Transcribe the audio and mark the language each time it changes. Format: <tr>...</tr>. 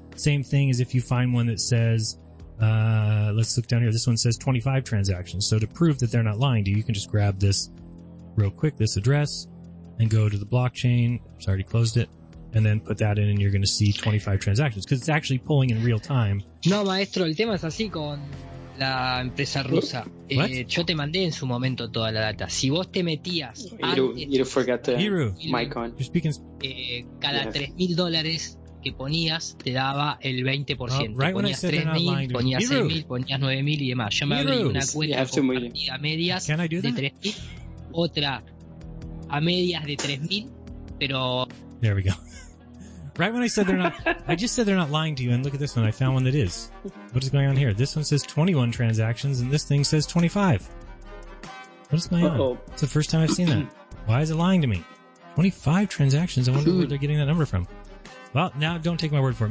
<en>Same thing as if you find one that says, let's look down here. This one says 25 transactions. So to prove that they're not lying to you, you can just grab this real quick, this address, and go to the blockchain. It's already closed it. And then put that in, and you're going to see 25 transactions because it's actually pulling in real time.</en> <es>No, maestro, el tema es así con la empresa rusa. Yo te mandé en su momento toda la data. Si vos te metías...</es> <en>You forgot the Hiro, mic on. You're speaking...</en> <es>cada $3,000... que ponías te daba el 20%.</es> <en>Right,</en> <es>ponías 3,000, ponías 6,000, ponías 9,000 y demás. Yo me abrí una cuenta a medias de 3,000, otra a medias de 3,000, pero...</es> <en>There we go. Right when I said they're not... I just said they're not lying to you, and look at this one. I found one that is. What is going on here? This one says 21 transactions, and this thing says 25. What is going on? It's the first time I've seen that. Why is it lying to me? 25 transactions? I wonder where they're getting that number from. Well, now don't take my word for it.</en>